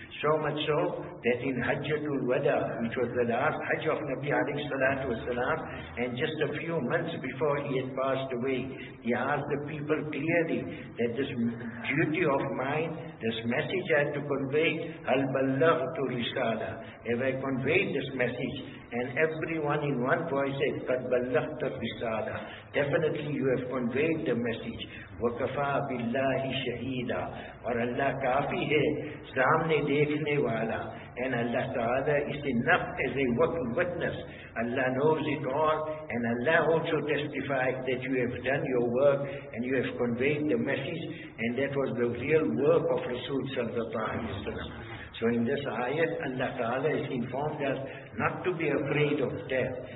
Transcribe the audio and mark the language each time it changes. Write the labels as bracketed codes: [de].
[en] So much so that in Hajjatul Wada, which was the last Hajj of Nabi alayhi salatu wasalam, and just a few months before he had passed away, he asked the people clearly that this duty of mine, this message I had to convey, [ar] Hal ballaghtu risala, [en] have I conveyed this message? And everyone in one voice said, [ar] Qad ballaghta risala, [en] definitely you have conveyed the message. [ar] وَكَفَى بِاللَّهِ شَهِيدًا [ur] اور اللہ کافی ہے سامنے دیکھنے والا. [en] And Allah Ta'ala is enough as a witness. Allah knows it all, and Allah also testified that you have done your work and you have conveyed the message, and that was the real work of Rasul Sallallahu Alaihi Wasallam. So in this ayat, Allah Ta'ala has informed us not to be afraid of death.